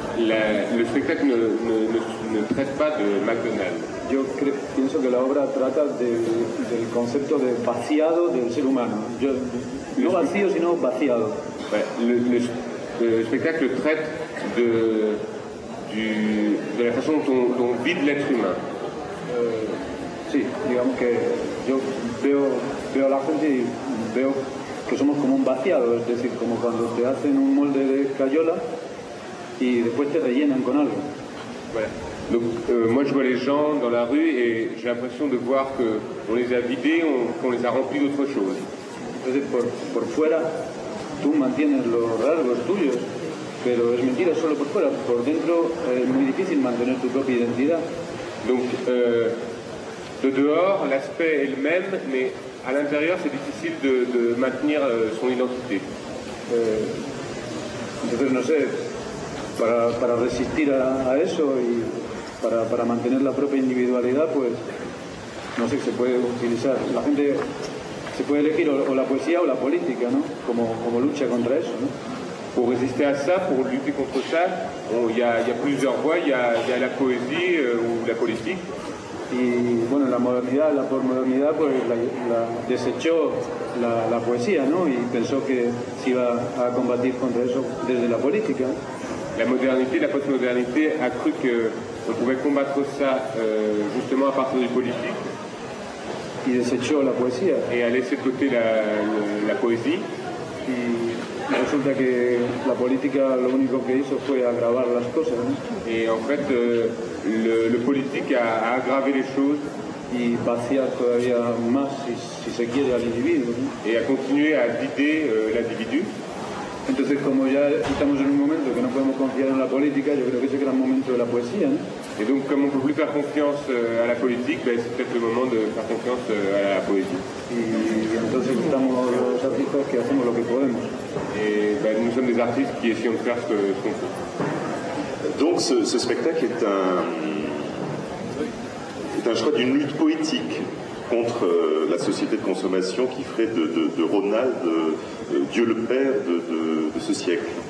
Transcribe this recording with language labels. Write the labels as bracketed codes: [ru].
[fr] Le spectacle ne traite pas de McDonald's. [es] Yo pienso que la obra trata del concepto de vaciado del ser humano. No vacío, sino vaciado. [fr] Ouais, le spectacle traite de la façon dont vide l'être humain. [es] Sí, digamos que yo veo a la gente y veo que somos como un vaciado, es decir, como cuando te hacen un molde de crayola y después te rellenan con algo. [fr] Voilà. Donc, moi je vois les gens dans la rue et j'ai l'impression de voir qu'on les a vidés, qu'on les a remplis d'autre chose. [es] Entonces, por fuera, tú mantienes los rasgos tuyos, pero es mentira solo por fuera. Por dentro, es muy difícil mantener tu propia identidad. [fr] Donc, de dehors, l'aspect est le même, mais à l'intérieur, c'est difficile de maintenir son identité. [es] Entonces, no sé, para resistir a eso y para mantener la propia individualidad, pues, no sé, se puede utilizar. La gente se puede elegir o la poesía o la política, ¿no? Como lucha contra eso, ¿no? [fr] Pour résister à ça, pour lutter contre ça, il y a plusieurs voies, il y a la poésie ou la politique. [es] Y bueno, la modernidad, la postmodernidad, pues la desechó la poesía, ¿no? Y pensó que se iba a combatir contra eso desde la política. [fr] La modernité, la postmodernité a cru qu'on pouvait combattre ça justement à partir du politique. [es] Y desechó la poesía. [fr] Et a laissé de côté la poésie. [es] Y resulta que la política lo único que hizo fue agravar las cosas, ¿no? [fr] Et en fait, le politique a aggravé les choses. [es] Y vaciar todavía más, si se quiere, al individuo, ¿no? [fr] Et a continué à vider l'individu. [es] Entonces, como ya estamos en un momento que no podemos confiar en la política, yo creo que ese gran momento de la poesía, ¿no? [fr] Et donc, comme on ne peut plus faire confiance à la politique, ben, c'est peut-être le moment de faire confiance à la poésie. Et nous sommes des artistes qui essayons de faire ce qu'on peut. Donc, ce spectacle est un choix d'une lutte poétique contre la société de consommation qui ferait de Ronald Dieu le Père de ce siècle.